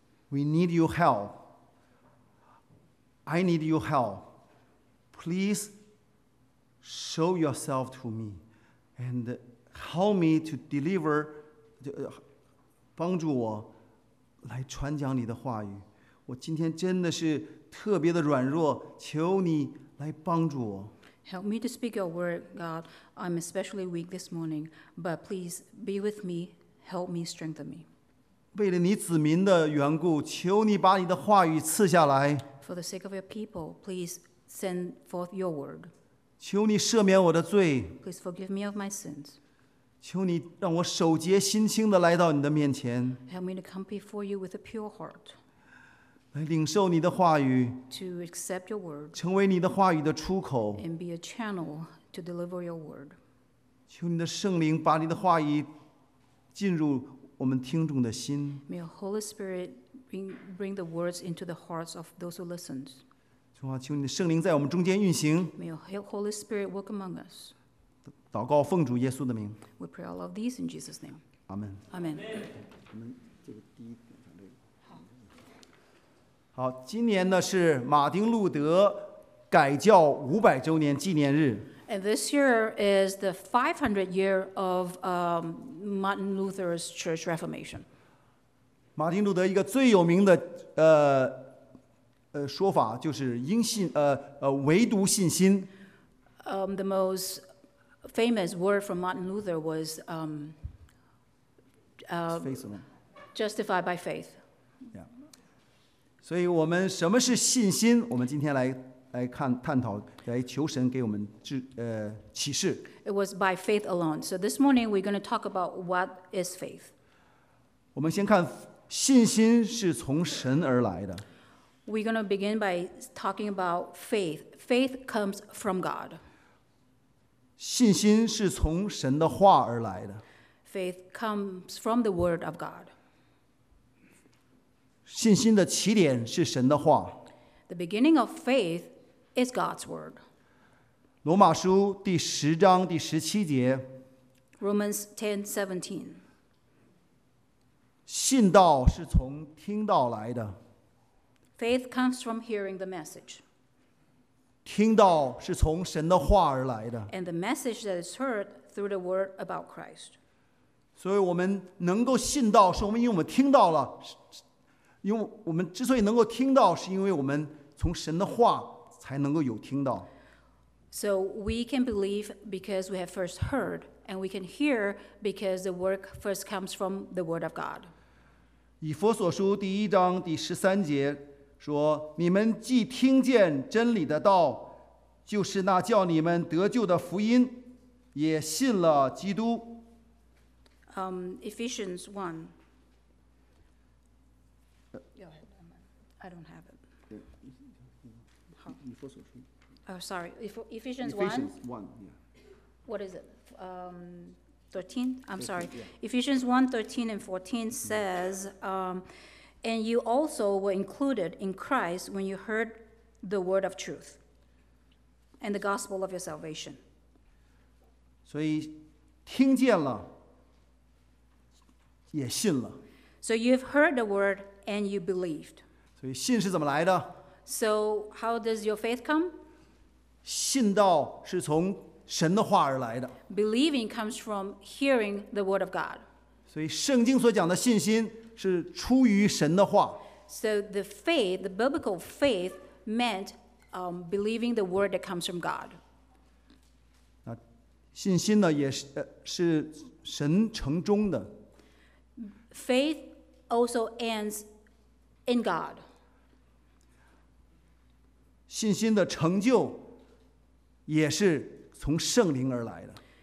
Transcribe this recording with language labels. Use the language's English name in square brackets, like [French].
[English] We need your help. I need your help. Please show yourself to me and help me to deliver, [Chinese] 帮助我。来传讲你的话语，我今天真的是特别的软弱，求你来帮助我。 [English] Help me to speak your word, God. I'm especially weak this morning, but please be with me, help me, strengthen me. [Chinese] 为了你子民的缘故，求你把你的话语赐下来。 [English] For the sake of your people, please send forth your word. [Chinese] 求你赦免我的罪。 [English] Please forgive me of my sins. [Chinese] 求你让我守洁心清地来到你的面前。 [English] Help me to come before you with a pure heart. [Chinese] 来领受你的话语。 [English] To accept your word. [Chinese] 成为你的话语的出口。 [English] And be a channel to deliver your word. [Chinese] 求你的圣灵把你的话语进入我们听众的心。 [English] May your Holy Spirit bring the words into the hearts of those who listen. [Chinese] 主啊，求你的圣灵在我们中间运行。 [English] May your Holy Spirit work among us. [Chinese] 祷告奉主耶稣的名。 [English] We pray all of these in Jesus' name. Amen. Amen. [Chinese] 我们这个第一点上这个。好，今年呢是马丁路德改教500周年纪念日。 [English] And this year is the 500th year of Martin Luther's Church Reformation. [Chinese] 马丁路德一个最有名的说法就是因信唯独信心。 [English] The most famous word from Martin Luther was faith alone. Justified by faith. [Chinese] Yeah. 所以我们什么是信心？我们今天来看探讨，来求神给我们启示。 [English] It was by faith alone. So this morning we're going to talk about what is faith. [Chinese] 我们先看信心是从神而来的。 [English] We're going to begin by talking about faith. Faith comes from God. [Chinese] 信心是从神的话而来的。 [English] Faith comes from the word of God. [Chinese] 信心的起点是神的话。 [English] The beginning of faith is God's word. [Chinese] 罗马书第十章第十七节。 [English] Romans 10:17. [Chinese] 信道是从听道来的。 [English] Faith comes from hearing the message. [Chinese] 听到是从神的话而来的。 [English] And the message that is heard through the word about Christ. [Chinese] 所以我们能够信道，是我们因为我们听到了，因为我们之所以能够听到，是因为我们从神的话才能够有听到。 [English] So we can believe because we have first heard, and we can hear because the word first comes from the word of God. [Chinese] 以弗所书第一章第十三节。说你们既听见真理的道，就是那叫你们得救的福音，也信了基督。 [English] Ephesians 1. Go ahead. I don't have it. Oh, sorry. Ephesians 1. Ephesians 1, yeah. What is it? 13? I'm sorry. Ephesians 1, 13 and 14 says... And you also were included in Christ when you heard the word of truth and the gospel of your salvation. [Chinese] 所以听见了，也信了。 [English] So you've heard the word and you believed. [Chinese] 所以信是怎么来的？ [English] So how does your faith come? [Chinese] 信道是从神的话而来的。 [English] Believing comes from hearing the word of God. [Chinese] 所以圣经所讲的信心是出于神的话。 [English] So the faith, the biblical faith, meant believing the word that comes from God. [Chinese] 那信心呢，也是神成中的。 [English] Faith also ends in God. [Chinese] 信心的成就也是从圣灵而来的。